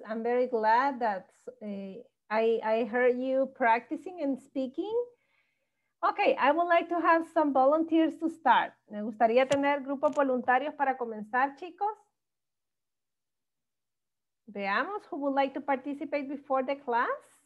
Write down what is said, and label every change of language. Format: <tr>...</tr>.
<en>I'm very glad that I heard you practicing and speaking. Okay, I would like to have some volunteers to start.</en> <es>Me gustaría tener grupos voluntarios para comenzar, chicos.</es> <en>Veamos who would like to participate before the class.</en>